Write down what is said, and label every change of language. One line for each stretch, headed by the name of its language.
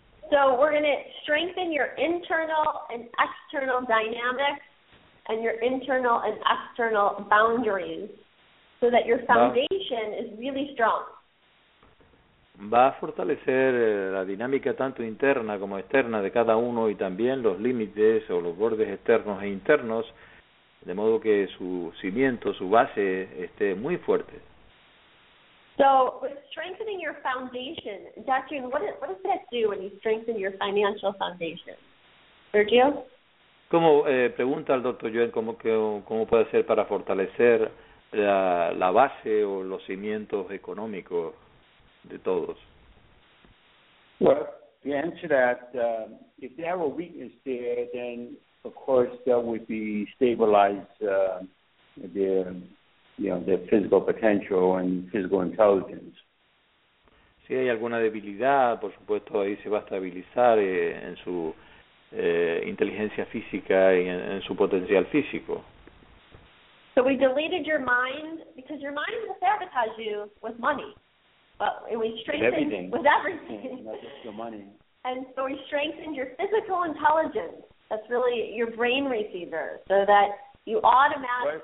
English: So we're going to strengthen your internal and external dynamics and your internal and external boundaries so that your foundation is really strong.
Spanish: Va a fortalecer la dinámica tanto interna como externa de cada uno y también los límites o los bordes externos e internos, de modo que su cimiento, su base, esté muy fuerte.
English: So, with strengthening your foundation, Dr. Yun, what does that do when you strengthen your financial foundation? Sergio?
Spanish: ¿Cómo, pregunta al Dr. Yuen, ¿cómo puede hacer para fortalecer la base o los cimientos económicos de todos?
English: Well, the answer that, if there were weakness there, then, of course, that would be stabilized their physical potential and physical intelligence.
Spanish: Si hay alguna debilidad, por supuesto, ahí se va a estabilizar en su inteligencia física y en su potencial físico.
English: So we deleted your mind, because your mind will sabotage you with money. But we strengthened with everything. Not just your money. And so we strengthened your physical intelligence. That's really your brain receiver, so that you automatically...